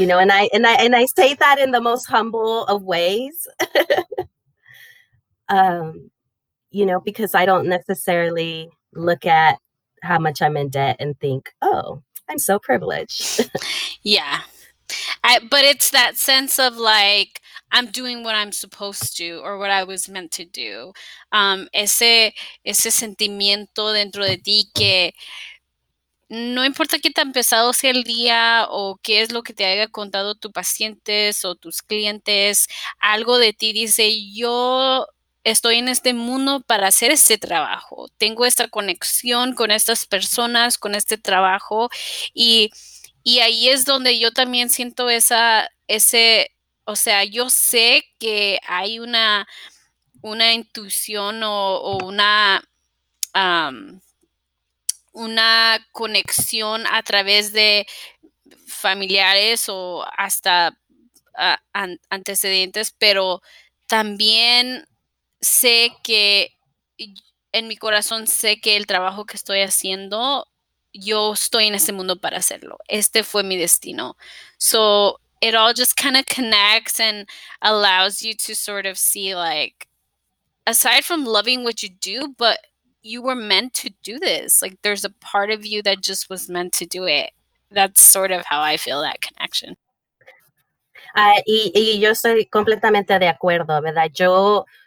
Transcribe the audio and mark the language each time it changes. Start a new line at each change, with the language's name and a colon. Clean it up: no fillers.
English: you know, and I say that in the most humble of ways, you know, because I don't necessarily look at how much I'm in debt and think, oh, I'm so privileged. Yeah. But it's that sense of like, I'm doing what I'm supposed to or what I was meant to do.
Spanish: Ese sentimiento dentro de ti que no importa qué tan pesado sea el día o qué es lo que te haya contado tus pacientes o tus clientes, algo de ti dice, yo estoy en este mundo para hacer este trabajo. Tengo esta conexión con estas personas, con este trabajo y... Y ahí es donde yo también siento o sea, yo sé que hay una intuición o una conexión a través de familiares o hasta antecedentes, pero también sé que en mi corazón sé que el trabajo que estoy haciendo yo estoy en este mundo para hacerlo. Este fue mi destino.
English: So it all just kind of connects and allows you to sort of see, like, aside from loving what you do, but you were meant to do this. Like, there's a part of you that just was meant to do it. That's sort of how I feel that connection.
Spanish: Y yo estoy completamente de acuerdo, ¿verdad? Yo,